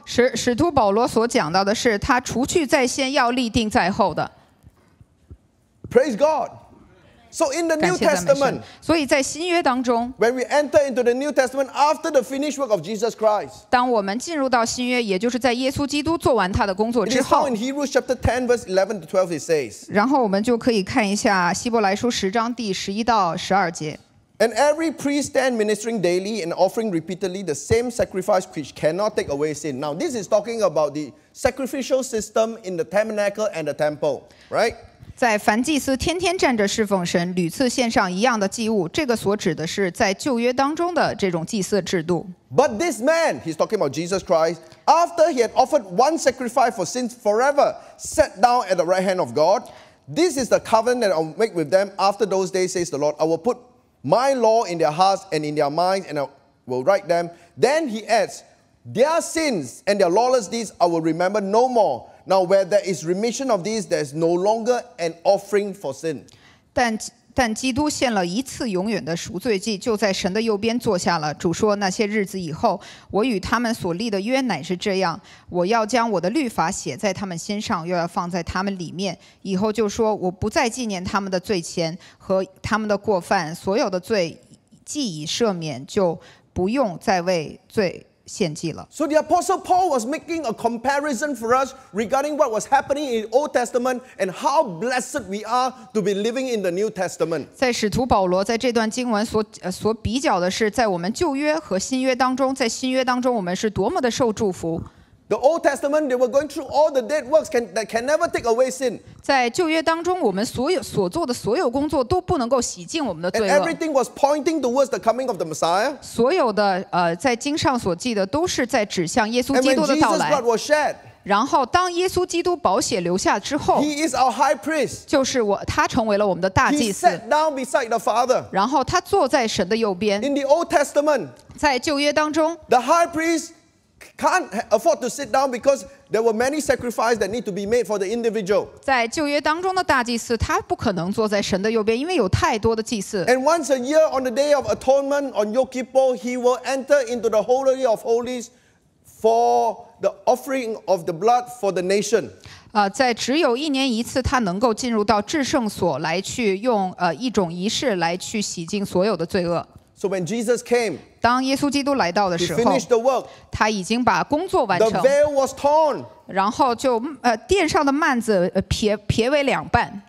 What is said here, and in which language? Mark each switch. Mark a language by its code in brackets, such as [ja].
[zh] 使徒保罗所讲到的是他除去在先要立定在后的 [en] praise God,So in the New Testament, [zh] 所以在新约当中 [en] when we enter into the New Testament after the finished work of Jesus Christ, [zh] 当我们进入到新约，也就是在耶稣基督做完他的工作之后 [en] in Hebrews chapter 10 verse 11 to 12 it says, [zh] 然后我们就可以看一下希伯来书十章第十一到十二节 [en] And every priest stand ministering daily and offering repeatedly the same sacrifice which cannot take away sin. Now this is talking about the sacrificial system in the tabernacle and the temple, right? [zh] 在凡祭司天天站着侍奉神，屡次献上一样的祭物，这个所指的是在旧约当中的这种祭司制度。 [en] But this man, he's talking about Jesus Christ, after he had offered one sacrifice for sins forever, sat down at the right hand of God. This is the covenant that I'll make with them after those days, says the Lord. I will put my law in their hearts and in their minds, and I will write them. Then he adds, their sins and their lawless deeds I will remember no more. Now, where there is remission of these, there is no longer an offering for sin. [zh] 但基督献了一次永远的赎罪祭，就在神的右边坐下了。主说：“那些日子以后，我与他们所立的约乃是这样：我要将我的律法写在他们心上，又要放在他们里面。以后就说，我不再纪念他们的罪前和他们的过犯，所有的罪既已赦免，就不用再为罪。” [en] So the Apostle Paul was making a comparison for us regarding what was happening in the Old Testament and how blessed we are to be living in the New Testament. [zh] 在使徒保罗在这段经文所比较的是在我们旧约和新约当中，在新约当中我们是多么的受祝福。 [en] The Old Testament, they were going through all the dead works that can never take away sin. [zh] 在旧约当中，我们所做的所有工作都不能够洗净我们的罪恶。 [en] And everything was pointing towards the coming of the Messiah. [zh] 所有的在经上所记的都是在指向耶稣基督的到来。 [en] And when Jesus' blood was shed, [zh] 然后当耶稣基督宝血流下之后 [en] ，He is our high priest. [zh] 就是他成为了我们的大祭司。 [en] He sat down beside the Father. [zh] 然后他坐在神的右边。 [en] In the Old Testament, [zh] 在旧约当中 [en] ，The high priest. Can't afford to sit down because there were many sacrifices that need to be made for the individual. [zh] 在旧约当中的大祭司，他不可能坐在神的右边，因为有太多的祭司。 [en] And once a year on the day of atonement on Yom Kippur, he will enter into the holy of holies for the offering of the blood for the nation. [zh] 在只有一年一次，他能够进入到至圣所来去用一种仪式来去洗净所有的罪恶。 [en] So when Jesus came, [zh] 当耶稣基督来到的时候 [en] he finished the work, [zh] 他已经把工作完成 [en] the veil was torn, [zh] 然后就殿上的幔子撇为两半